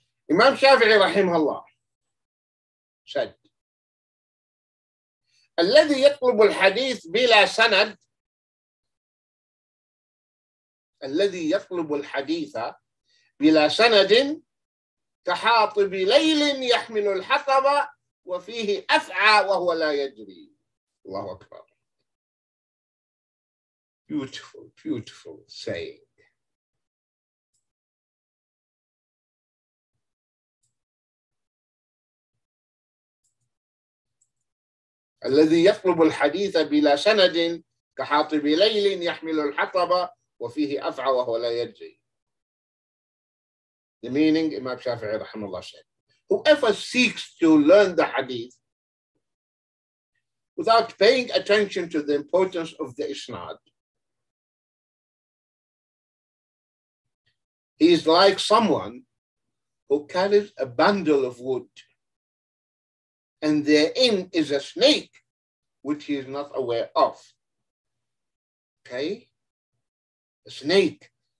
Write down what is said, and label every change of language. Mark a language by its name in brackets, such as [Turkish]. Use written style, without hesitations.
[English] Imam Shafi'i rahimahullah said, [Arabic] الذي يطلب الحديث بلا سند الذي يطلب الحديث بلا سند كحاطب ليل يحمل الحطب وفيه أفعى وهو لا يدري. الله أكبر. [English] Beautiful, beautiful saying. [Arabic] الذي يطلب الحديث بلا سند كحاطب ليل يحمل الحطب وفيه أفعى وهو لا يدري. [English] The meaning, Imam Shafi'i rahimahullah said, whoever seeks to learn the hadith without paying attention to the importance of the isnad, he is like someone who carries a bundle of wood and therein is a snake which he is not aware of. Okay? A snake.